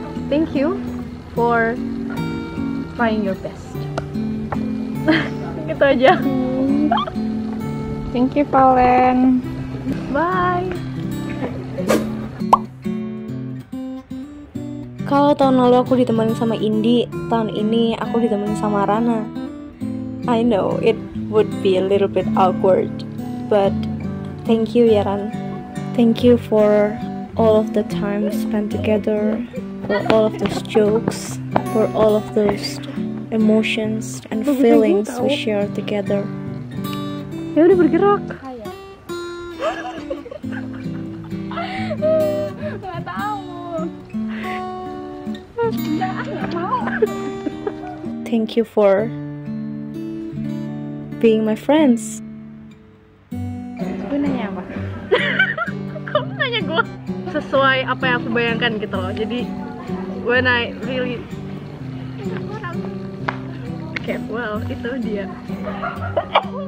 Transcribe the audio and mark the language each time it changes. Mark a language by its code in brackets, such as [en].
[en] Thank you for trying your best. [id] Gitu aja. [en] Thank you, Valen. Bye. [id] Kalau tahun lalu aku ditemenin sama Indi, tahun ini aku ditemenin sama Rana. [en] I know it would be a little bit awkward, but thank you, Yaran. Thank you for all of the time we spent together, for all of those jokes, for all of those emotions and feelings we share together. [id] Ya udah bergerak. [en] Thank you for being my friends. [id] Gue nanya apa? Kamu nanya gue? Sesuai apa yang aku bayangkan gitu loh. Jadi [en] when I really okay, well [id] itu dia.